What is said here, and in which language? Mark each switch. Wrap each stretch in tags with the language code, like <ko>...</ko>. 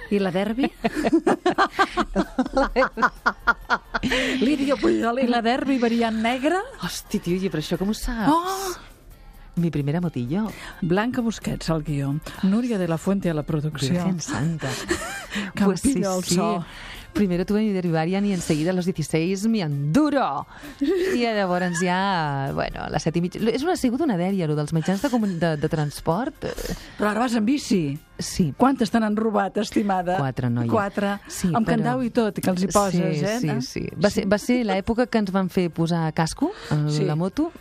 <ca>I la derbi? Lídia Pujol, i la derbi variant negra? Hosti, tio, però això com ho saps? Oh!</ca> <es>Mi primera motillo.</es> <ca>Blanca Busquets al guió. Núria de la Fuente a la producció.</ca> <es>Virgen santa.</es> <ca>Campillo al pues sí, so. Sí.</ca> <es>Primero tuve mi derivarian y enseguida a los 16 mi enduro.</es> <ca>I llavors ja, bueno, a les 7 i mitja... Ha sigut una dèria, allò dels mitjans de transport. Però ara vas en bici. Sí. Quantes te n'han robat, estimada? 4, noia. 4. Sí, amb però... candau i tot, que els hi poses, sí, eh? Sí, sí. Va ser l'època que ens van fer posar casco a la moto.</ca>